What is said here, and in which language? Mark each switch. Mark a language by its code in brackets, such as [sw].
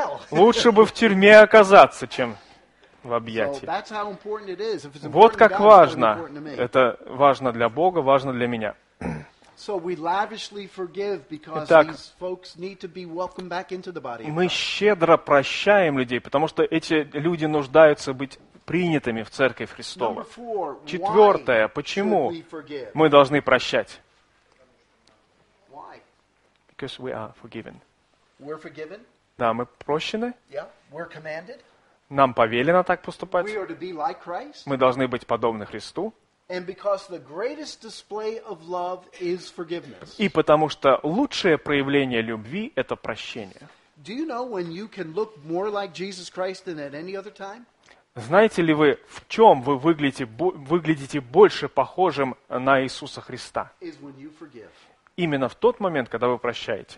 [ru] Лучше бы в тюрьме оказаться, чем в объятии. Вот как важно. Это важно для Бога, важно для меня. [en] So we lavishly forgive because these folks need to be welcomed back into the body. [ru] Мы щедро прощаем людей, потому что эти люди нуждаются быть принятыми в Церкви Христова. Четвертое, почему мы должны прощать? [en] Why? Because we are forgiven. We're forgiven? [ru] Да, мы прощены. [en] Yeah, we're commanded. [ru] Нам повелено так поступать. [en] We are to be like Christ. [ru] Мы должны быть подобны Христу. [en] And because the greatest display of love is forgiveness. [ru] И потому что лучшее проявление любви – это прощение. [en] Do you know when you can look more like Jesus Christ than at any other time? [ru] Знаете ли вы, в чем вы выглядите больше похожим на Иисуса Христа? [en] Is when you forgive. [ru] Именно в тот момент, когда вы прощаете.